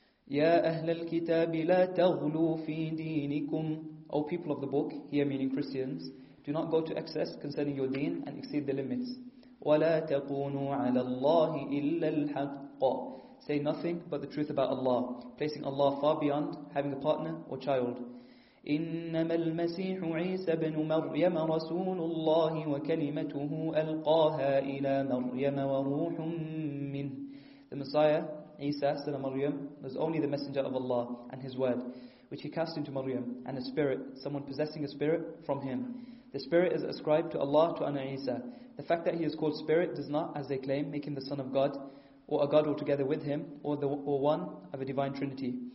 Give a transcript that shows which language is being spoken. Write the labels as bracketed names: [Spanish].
[Arabic] يَا أَهْلَ الْكِتَابِ لَا تَغْلُوا فِي دِينِكُمْ. [English] O people of the book, here meaning Christians, do not go to excess concerning your deen and exceed the limits. [Arabic] وَلَا تَقُونُوا عَلَى اللَّهِ إِلَّا الْحَقِّ. [English] Say nothing but the truth about Allah, placing Allah far beyond having a partner or child. [Arabic] إنما المسيح عيسى بن مريم رسول الله وكلمته ألقاها إلى مريم وروح منه. [English] The Messiah, Isa, son of Maryam, was only the messenger of Allah and His word, which He cast into Maryam, and a spirit, someone possessing a spirit from Him. The spirit is ascribed to Allah to Anna Isa. The fact that He is called spirit does not, as they claim, make Him the son of God, or a God altogether with Him, or one of a divine trinity.